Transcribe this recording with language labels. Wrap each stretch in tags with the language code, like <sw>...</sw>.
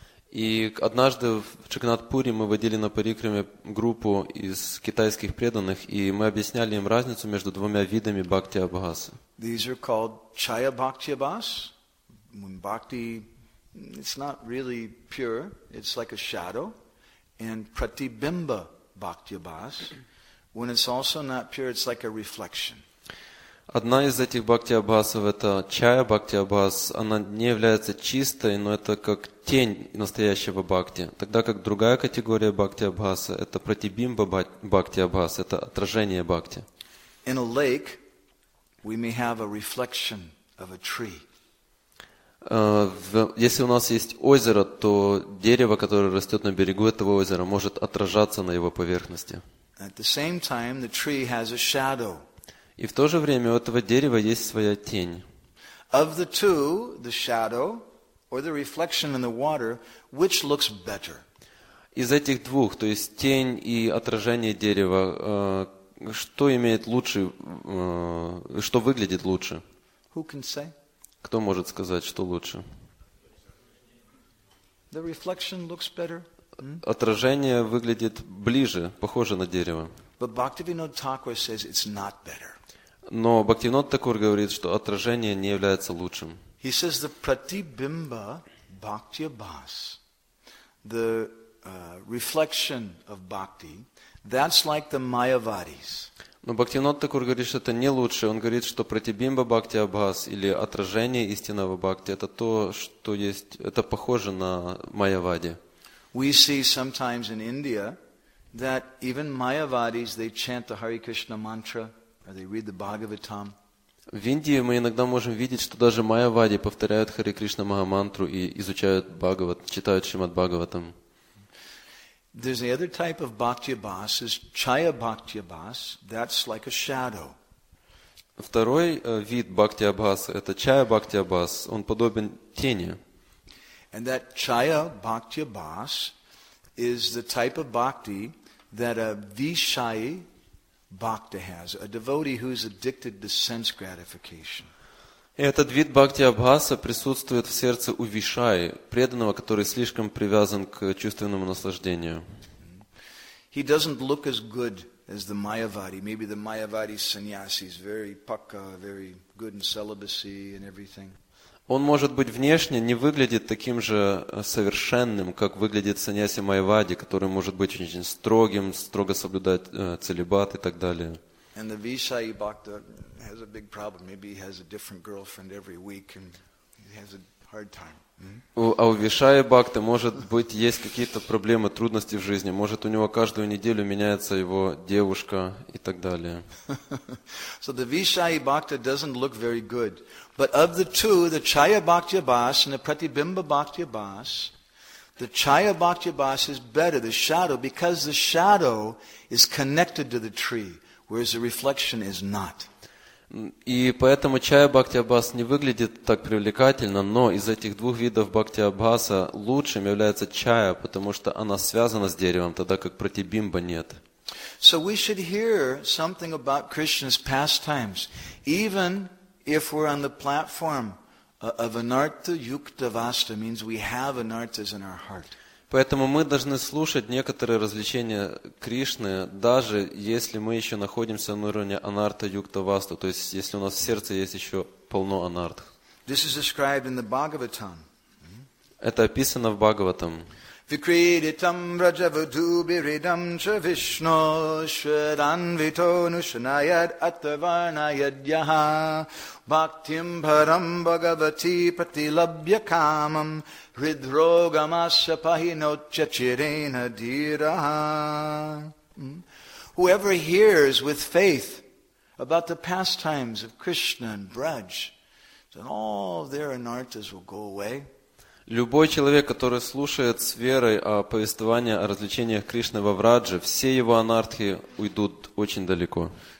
<ru>И однажды в Чакнатпуре мы водили на парикраме группу из китайских преданных, и мы объясняли им разницу между двумя видами Бхактибас.</ru> <en>These are called Chaya Bhaktibas. When Bhakti, it's not really pure, it's like a shadow. And Pratibimba Bhaktibas, when it's also not pure, it's like a reflection.</en> <ru>Одна из этих бхакти-абхасов – это чая бхакти-абхас. Она не является чистой, но это как тень настоящего бхакти. Тогда как другая категория бхакти-абхаса – это пратибимба бхакти-абхас, это отражение бхакти.</ru> <en>In a lake, we may have a reflection of a tree.</en> <ru>Если у нас есть озеро, то дерево, которое растет на берегу этого озера, может отражаться на его поверхности.</ru> <en>At the same time, the tree has a shadow.</en> <ru>И в то же время у этого дерева есть своя тень.</ru> <en>Of the two, the shadow or the reflection in the water, which looks better?</en> <ru>Из этих двух, то есть тень и отражение дерева, что имеет лучше, что выглядит лучше?</ru> <en>Who can say?</en> <ru>Кто может сказать, что лучше?</ru> <en>The reflection looks better.</en> <ru>Отражение выглядит ближе, похоже на дерево.</ru> <en>But Bhaktivinoda Thakur says it's not better.</en> <ru>Но Бхактивинода Такур говорит, что отражение не является лучшим.</ru> <en>He says the pratibimba bhaktibhas, the reflection of bhakti, that's like the mayavadis.</en> <ru>Но Бхактивинода Такур говорит, что это не лучше. Он говорит, что pratibimba bhaktibhas или отражение истинного бхакти, это то, что есть, это похоже на майявади.</ru> <en>We see sometimes in India that even mayavadis, they chant the Hare Krishna mantra. Or they read the Bhagavatam.</en> <ru>В Индии мы иногда можем видеть, что даже майявади повторяют Хари Кришна Махамантру и изучают Бхагават, читают Шримад Бхагаватам.</ru> <en>There's the other type of Bhaktibhas is Chaya Bhaktibhas. That's like a shadow.</en> <ru>Второй вид Бхактибхаса это Чая Бхактибхас. Он подобен тени.</ru> <en>And that Chaya Bhaktibhas is the type of bhakti that a Vishayi Bhakta has, a devotee who is addicted to sense gratification.</en> <ru>Этот вид бхакти абхаса присутствует в сердце у вишаи, преданного, который слишком привязан к чувственному наслаждению.</ru> <en>He doesn't look as good as the mayavadi. Maybe the mayavadi sannyasi is very pukka, very good in celibacy and everything.</en> <ru>Он может быть внешне не выглядит таким же совершенным, как выглядит саньяси майявади, который может быть очень строгим, строго соблюдать целибат и так далее.</ru> <en>And the Vishayi Bhakta has a big problem. Maybe he has a different girlfriend every week and he has a hard time.</en> <ru>А у Вишая Бхакты, может быть, есть какие-то проблемы, трудности в жизни. Может, у него каждую неделю меняется его девушка и так далее.</ru> <en>So the Vishaya Bhakta doesn't look very good. But of the two, the Chaya Bhakti Abbas and the Pratibimba Bhakti Abbas, the Chaya Bhakti Abbas is better, the shadow, because the shadow is connected to the tree, whereas the reflection is not.</en> <ru>И поэтому Чая Бхакти Аббас не выглядит так привлекательно, но из этих двух видов Бхакти Аббаса лучшим является Чая, потому что она связана с деревом, тогда как Пратибимба нет.</ru> <en>So we should hear something about Krishna's pastimes, even if we're on the platform of anartha yukta vasta, means we have anarthas in our heart.</en> <ru>Поэтому мы должны слушать некоторые развлечения Кришны, даже если мы еще находимся на уровне анартха юкта васту, то есть если у нас в сердце есть еще полно анартх.</ru> <en>This is described in the Bhagavatam.</en> <ru>Это описано в Бхагаватам.</ru> <sa>Vikriditam rajavadubiridam ca vishno shadanvito nushanayad atavarnayad yaha bhaktim param bhagavati pratilabhya kamam hridrogamasya pahinocha chirena dhiraha.</sa> <en>Whoever hears with faith about the pastimes of Krishna and Braj, then all their anarthas will go away.</en> <ru>Любой человек, который слушает с верой о повествовании о развлечениях Кришны во Врадже, все его анартхи уйдут очень далеко.</ru>